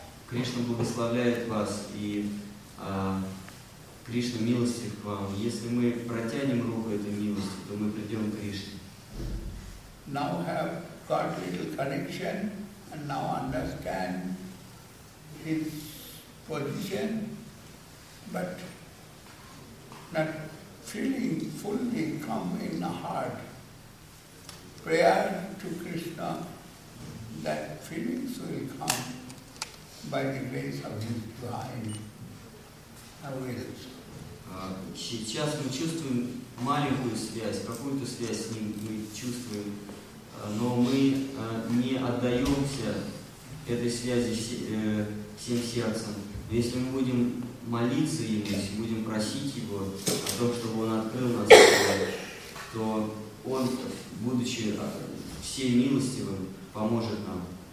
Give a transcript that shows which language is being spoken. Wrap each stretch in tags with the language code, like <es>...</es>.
<ru>Кришна благословляет вас, и Кришна милостив к вам. Если мы протянем руку этой милости, то мы придем к Кришне.</ru> <en>Now have got little connection and now understand his position, but not feeling fully come in the heart. Prayer to Krishna. That feelings will come by the grace of His divine awareness.</en> <ru>Сейчас мы чувствуем маленькую связь, какую-то связь с Ним мы чувствуем, но мы не отдаемся этой связи всем сердцем. Если мы будем молиться Ему, если будем просить Его о том, чтобы Он открыл нас, то Он, будучи всемилостивым, поможет нам.</ru>